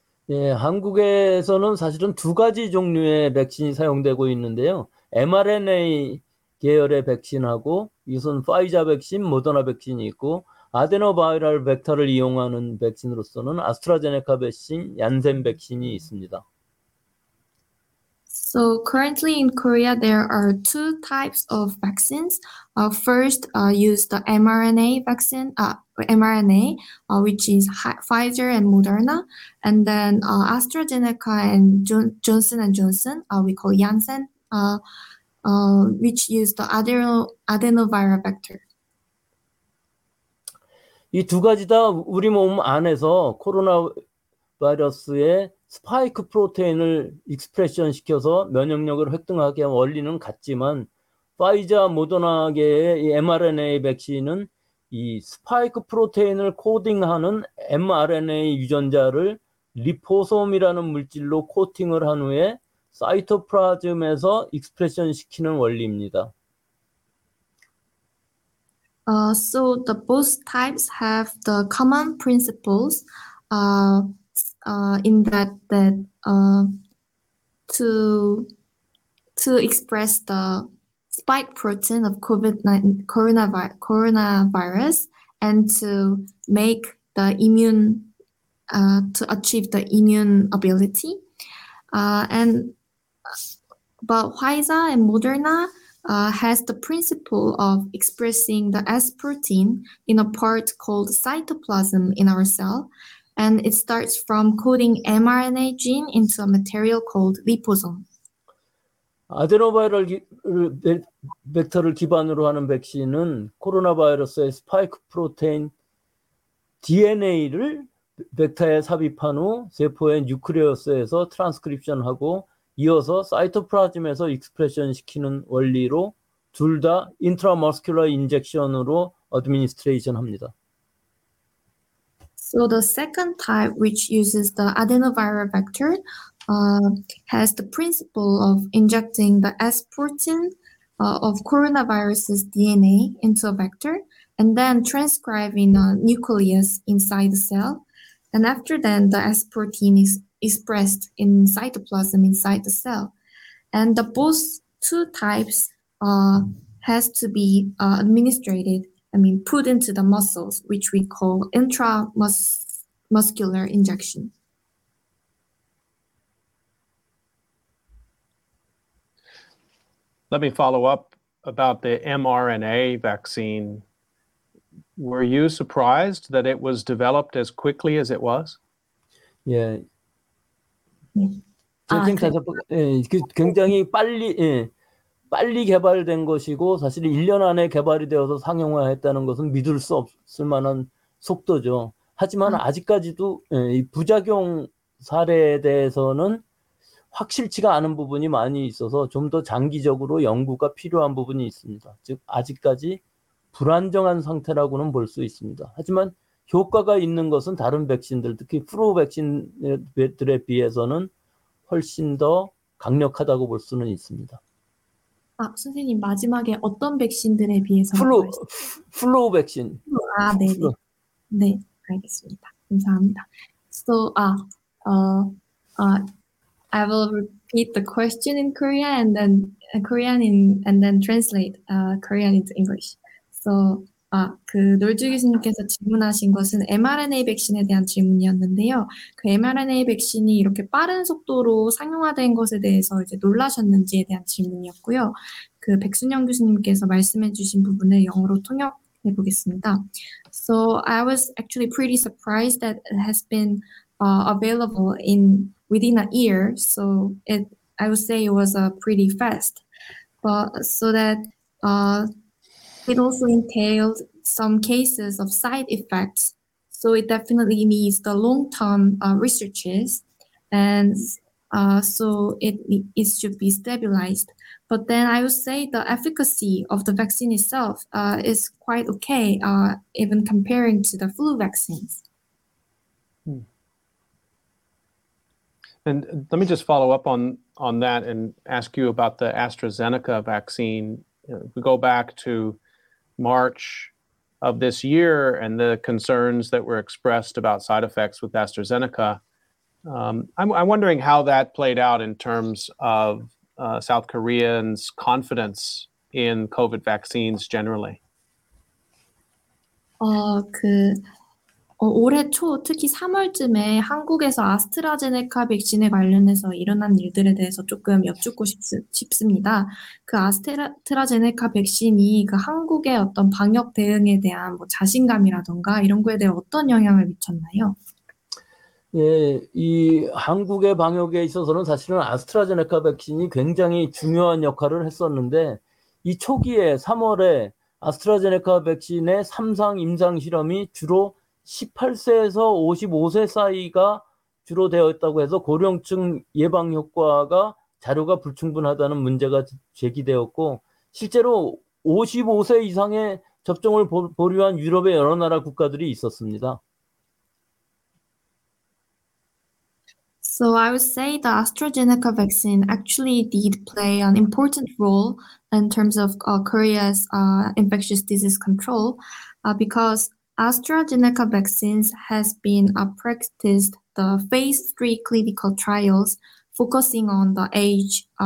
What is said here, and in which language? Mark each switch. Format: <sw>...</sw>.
<ko>예, 한국에서는 사실은 두 가지 종류의 백신이 사용되고 있는데요. mRNA 계열의 백신하고 우선 화이자 백신, 모더나 백신이 있고 아데노바이럴 벡터를 이용하는 백신으로서는 아스트라제네카 백신, 얀센 백신이 있습니다.</ko> <en>So currently in Korea, there are two types of vaccines. First, use the mRNA vaccine, which is Pfizer and Moderna, and then AstraZeneca and Johnson & Johnson, we call Janssen which use the adenoviral vector.</en> <ko>이 두 가지 다 우리 몸 안에서 코로나 바이러스의 스파이크 프로테인을 익스프레션 시켜서 면역력을 획득하게 한 원리는 같지만 파이자 모더나계의 이 mRNA 백신은 이 스파이크 프로테인을 코딩하는 mRNA 유전자를 리포솜이라는 물질로 코팅을 한 후에 사이토플라즘에서 익스프레션 시키는 원리입니다.</ko> <en>So the both types have the common principles in that to express the spike protein of coronavirus and to make the immune to achieve the immune ability but Pfizer and Moderna has the principle of expressing the S protein in a part called cytoplasm in our cell, and it starts from coding mRNA gene into a material called liposome.</en> <ko>아데노바이럴 벡터를 기반으로 하는 백신은 코로나 바이러스의 스파이크 프로테인 DNA를 벡터에 삽입한 후 세포의 뉴클레어스에서 트랜스크립션하고 이어서 사이토플라즘에서 익스프레션 시키는 원리로 둘 다 인트라머스큘러 인젝션으로 어드미니스트레이션 합니다.</ko> <en>So the second type, which uses the adenoviral vector, has the principle of injecting the S protein of coronavirus's DNA into a vector and then transcribing a nucleus inside the cell. And after then, the S protein is expressed in cytoplasm inside the cell. And the both two types has to be put into the muscles, which we call intramuscular injection. Let me follow up about the mRNA vaccine. Were you surprised that it was developed as quickly as it was? Yeah.</en> <ko>굉장히 빨리 개발된 것이고 사실 1년 안에 개발이 되어서 상용화했다는 것은 믿을 수 없을 만한 속도죠. 하지만 아직까지도 이 부작용 사례에 대해서는 확실치가 않은 부분이 많이 있어서 좀 더 장기적으로 연구가 필요한 부분이 있습니다. 즉 아직까지 불안정한 상태라고는 볼 수 있습니다. 하지만 효과가 있는 것은 다른 백신들, 특히 플루 백신들에 비해서는 훨씬 더 강력하다고 볼 수는 있습니다. 아, 선생님 마지막에 어떤 백신들에 비해서 플루 백신. 아, 네. 네. 알겠습니다. 감사합니다.</ko> <en>So, I will repeat the question in Korean and then Korean in and then translate Korean into English.</en> <ko>So, 그 노르주 교수님께서 질문하신 것은 mRNA 백신에 대한 질문이었는데요. 그 mRNA 백신이 이렇게 빠른 속도로 상용화된 것에 대해서 이제 놀라셨는지에 대한 질문이었고요. 그 백순영 교수님께서 말씀해 주신 부분을 영어로 통역해 보겠습니다.</ko> <en>So I was actually pretty surprised that it has been available in within a year. So I would say it was pretty fast. But so that it also entails some cases of side effects, so it definitely needs the long-term researches, and so it should be stabilized. But then I would say the efficacy of the vaccine itself is quite okay, even comparing to the flu vaccines. Hmm. And let me just follow up on that and ask you about the AstraZeneca vaccine. If we go back to March of this year and the concerns that were expressed about side effects with AstraZeneca. I'm wondering how that played out in terms of South Koreans' confidence in COVID vaccines generally.</en> <ko>올해 초 특히 3월쯤에 한국에서 아스트라제네카 백신에 관련해서 일어난 일들에 대해서 조금 여쭙고 싶습니다. 그 아스트라제네카 백신이 그 한국의 어떤 방역 대응에 대한 뭐 자신감이라든가 이런 거에 대해 어떤 영향을 미쳤나요? 이 한국의 방역에 있어서는 사실은 아스트라제네카 백신이 굉장히 중요한 역할을 했었는데, 이 초기에 3월에 아스트라제네카 백신의 3상 임상 실험이 주로 18세에서 55세 사이가 주로 되었다고 해서 고령층 예방 효과가 자료가 불충분하다는 문제가 제기되었고, 실제로 55세 이상의 접종을 보류한 유럽의 여러 나라 국가들이 있었습니다.</ko> <en>So I would say the AstraZeneca vaccine actually did play an important role in terms of Korea's infectious disease control, because AstraZeneca vaccines has been practiced the phase three clinical trials focusing on the age</en>